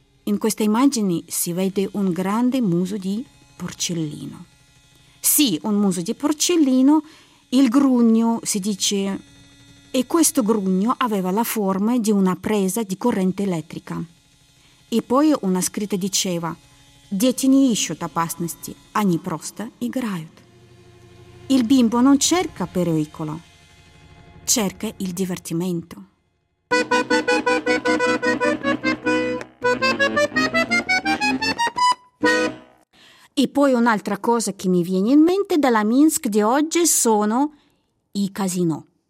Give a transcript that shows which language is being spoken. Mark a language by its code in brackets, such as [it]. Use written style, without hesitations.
[it] In queste immagini si vede un grande muso di porcellino. Sì, un muso di porcellino, il grugno si dice. E questo grugno aveva la forma di una presa di corrente elettrica. E poi una scritta diceva: [ru] «Дети не ищут опасности, они просто играют». [it] Il bimbo non cerca pericolo, cerca il divertimento. E poi un'altra cosa che mi viene in mente della Minsk di oggi sono i casinò.